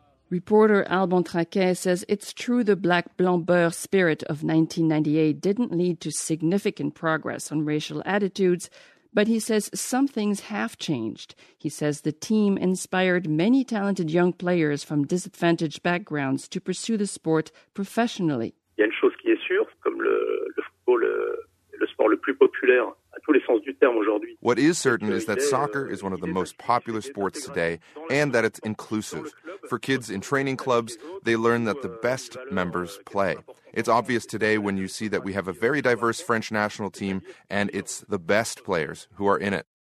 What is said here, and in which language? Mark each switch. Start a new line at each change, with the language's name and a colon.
English: Reporter Alban Traquet says it's true the Black Blanc Beur spirit of 1998 didn't lead to significant progress on racial attitudes, but he says some things have changed. He says the team inspired many talented young players from disadvantaged backgrounds to pursue the sport professionally.
French: Il y a une chose qui est sûre, comme le football, le sport le plus populaire.
English: What is certain is that soccer is one of the most popular sports today and that it's inclusive. For kids in training clubs, they learn that the best members play. It's obvious today when you see that we have a very diverse French national team and it's the best players who are in it.